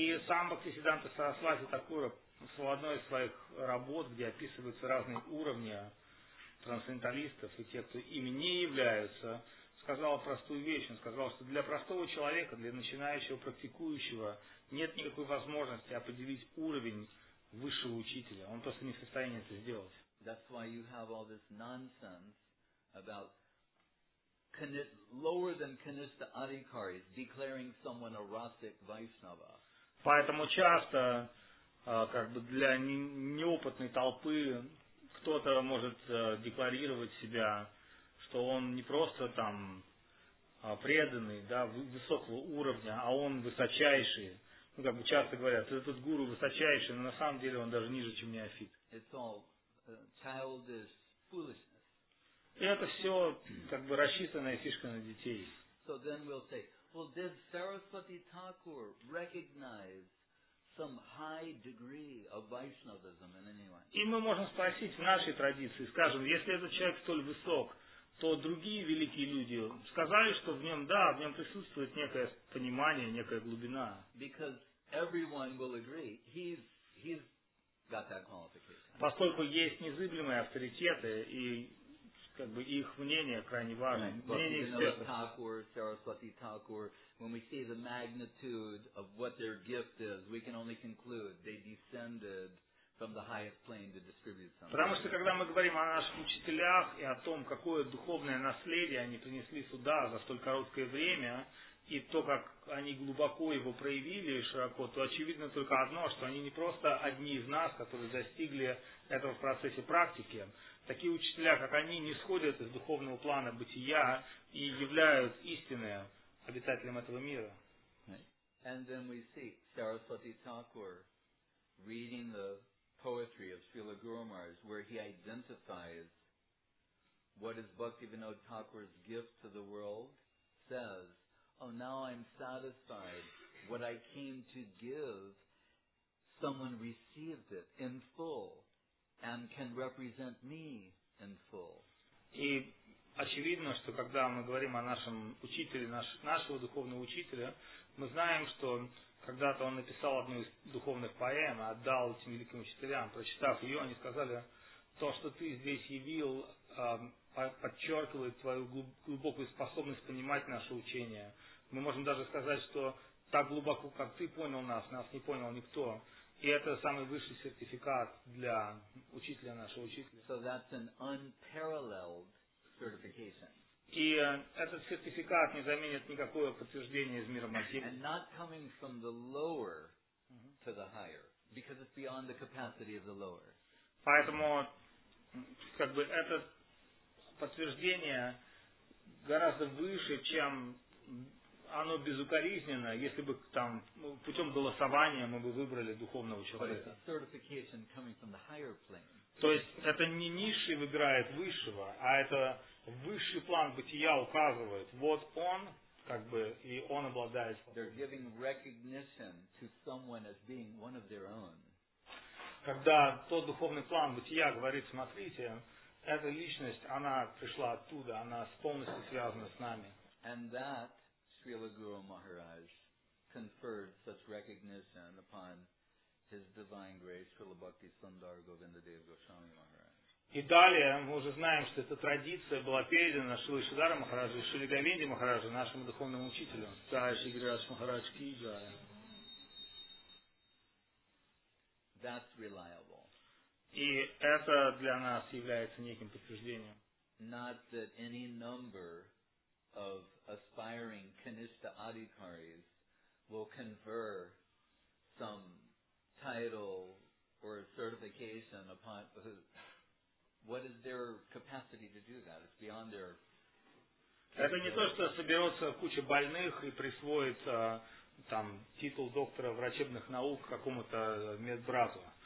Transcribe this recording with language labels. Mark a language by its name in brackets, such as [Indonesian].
[Russian] И сам Бхактисиддханта Сарасвати Такур в одной из своих работ, где описываются разные уровни трансценденталистов и тех, кто ими не являются, сказал простую вещь. Он сказал, что для простого человека, для начинающего, практикующего, нет никакой возможности определить уровень высшего учителя. Он просто не в состоянии это сделать. [English] That's why you have all this nonsense about lower than Kanista Adhikaris declaring someone a Rasic Vaishnava. [Russian] Поэтому часто, как бы для неопытной толпы, кто-то может декларировать себя, что он не просто там преданный, да, высокого уровня, а он высочайший. Ну, как бы часто говорят, этот гуру высочайший, но на самом деле он даже ниже, чем неофит. [English] It's all childish foolishness. [Russian] И это все как бы рассчитанная фишка на детей. [English] So then we'll say, well, did Sarasvati Thakur recognize some high degree of Vaishnavism in anyone? [Russian] И мы можем спросить в нашей традиции, скажем, если этот человек столь высок, то другие великие люди сказали, что в нем, да, в нем присутствует некое понимание, некая глубина. [English] Because everyone will agree, he's got that qualification. [Russian] Поскольку есть незыблемые авторитеты, и как бы их мнение крайне важно. [English] Right. [Russian] Мнение экспертов. [English] Thakur, Sarasvati Thakur, when we see the magnitude of what their gift is, we can only conclude they descended from the highest plane to distribute something. [Russian] Потому что когда мы говорим о наших учителях и о том, какое духовное наследие они принесли сюда за столь короткое время, и то, как они глубоко его проявили и широко, то очевидно только одно, что они не просто одни из нас, которые достигли этого в процессе практики. Такие учителя, как они, не сходят из духовного плана бытия и являются истинным обитателем этого мира. [English] And then we see Sarasvati Thakur reading the poetry of Srila Guru Maharaj, where he identifies what is Bhaktivinoda Thakur's gift to the world, says, oh, now I'm satisfied. What I came to give, someone received it in full and can represent me in full. [Russian] И очевидно, что когда мы говорим о нашем учителе, нашего духовного учителя, мы знаем, что когда-то он написал одну из духовных поэм, отдал этим великим учителям. Прочитав ее, они сказали, то, что ты здесь явил, подчеркивает твою глубокую способность понимать наше учение. Мы можем даже сказать, что так глубоко, как ты понял нас, нас не понял никто. И это самый высший сертификат для учителя нашего учителя. [English] So that's an unparalleled certification. [Russian] И этот сертификат не заменит никакое подтверждение из мира материи. [English] And not coming from the lower to the higher, because it's beyond the capacity of the lower. [Russian] Поэтому, как бы, это подтверждение гораздо выше, чем оно безукоризненно, если бы там путем голосования мы бы выбрали духовного человека. [English] Certification coming from the higher plane. [Russian] То есть это не низший выбирает высшего, а это высший план бытия указывает. Вот он, как бы, и он обладает. [English] They're giving recognition to someone as being one of their own. [Russian] Когда тот духовный план бытия говорит, смотрите, эта личность, она пришла оттуда, она полностью связана с нами. [English] And that Srila Guru Maharaj conferred such recognition upon his divine grace Srila Bhakti Sundara Govindadeva Goswami Maharaj. [Russian] И далее мы уже знаем, что эта традиция была передана Шрила Шридхара Махараджу и Шрила Говинде Махараджу, нашему духовному учителю. Старший Гирирадж Махарадж Киджая. [English] That's reliable. [Russian] И это для нас является неким подтверждением. [English] Not that any number of aspiring Kanishta Adhikaris will confer some meditation upon what is their capacity to do that? It's beyond their. [Russian] Это не то, что соберется куча больных и присвоит там титул доктора врачебных наук какому-то медбрату.